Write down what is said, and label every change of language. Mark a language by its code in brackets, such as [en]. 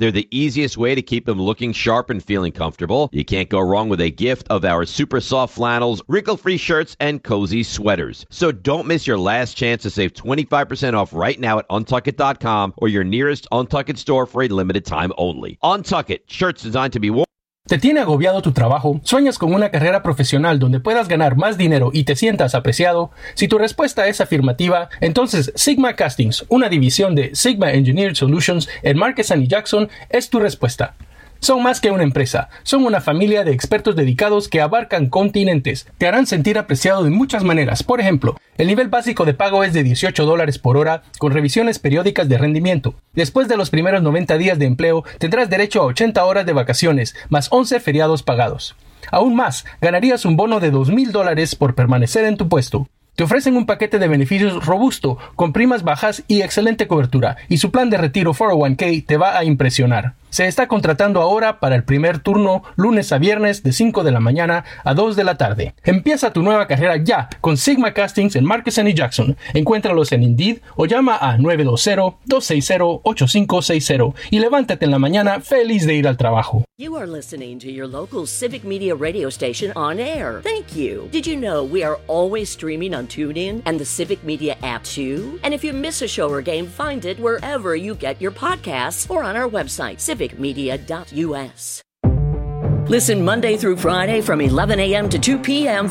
[en] They're the easiest way to keep them looking sharp and feeling comfortable. You can't go wrong with a gift of our super soft flannels, wrinkle-free shirts, and cozy sweaters. So don't miss your last chance to save 25% off right now at UNTUCKit.com or your nearest UNTUCKit store for a limited time only. UNTUCKit, shirts designed to be worn. [es] ¿Te tiene agobiado tu trabajo? ¿Sueñas con una carrera profesional donde puedas ganar más dinero y te sientas apreciado? Si tu respuesta es afirmativa, entonces Sigma Castings, una división de Sigma Engineered Solutions en Marquesan y Jackson, es tu respuesta. Son más que una empresa, son una familia de expertos dedicados que abarcan continentes. Te harán sentir apreciado de muchas maneras. Por ejemplo, el nivel básico de pago es de $18 por hora con revisiones periódicas de rendimiento. Después de los primeros 90 días de empleo, tendrás derecho a 80 horas de vacaciones más 11 feriados pagados. Aún más, ganarías un bono de $2,000 por permanecer en tu puesto. Te ofrecen un paquete de beneficios robusto, con primas bajas y excelente cobertura, y su plan de retiro 401k te va a impresionar. Se está contratando ahora para el primer turno, lunes a viernes, de 5 de la mañana a 2 de la tarde. Empieza tu nueva carrera ya con Sigma Castings en Marquesan y Jackson. Encuéntralos en Indeed o llama a 920-260-8560 y levántate en la mañana feliz de ir al trabajo. [en] You are listening to your local Civic Media radio station on air. Thank you. Did you know we are always streaming on TuneIn and the Civic Media app too? And if you miss a show or game, find it wherever you get your podcasts or on our website. CivicMedia.us. Listen Monday through Friday from 11 a.m. to 2 p.m.